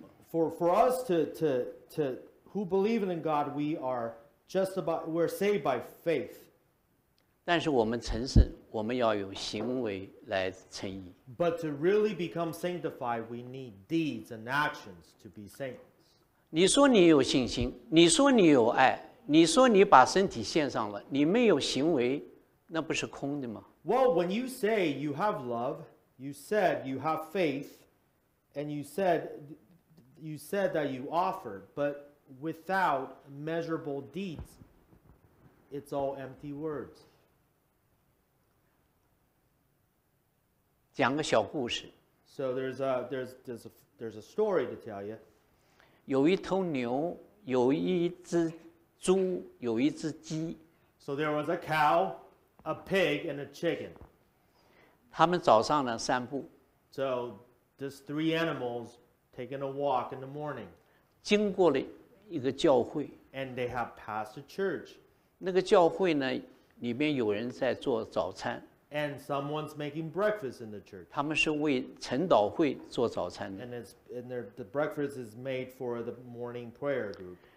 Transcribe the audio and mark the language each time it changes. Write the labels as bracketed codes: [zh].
[en] For us to who believe in God, we are just about, we're saved by faith. [zh] 但是我们成圣，我们要有行为来成义。 [en] But to really become sanctified, we need deeds and actions to be saints. [zh] 你说你有信心，你说你有爱，你说你把身体献上了，你没有行为，那不是空的吗？ [en] Well, when you say you have love, you said you have faith, and you said that you offered, but without measurable deeds, it's all empty words. [zh] 讲个小故事。 [en] So there's a story to tell you. [zh] 有一头牛，有一只猪，有一只鸡。 [en] So there was a cow, a pig, and a chicken. [zh] 他们早上呢散步。 [en] So these three animals taking a walk in the morning. [zh] 经过了一个教会。 [en] And they have passed a church. [zh] 那个教会呢，里面有人在做早餐。 [en] And someone's making breakfast in the church. [zh] 他们是为晨祷会做早餐的。 [en] And the breakfast is made for the morning prayer group.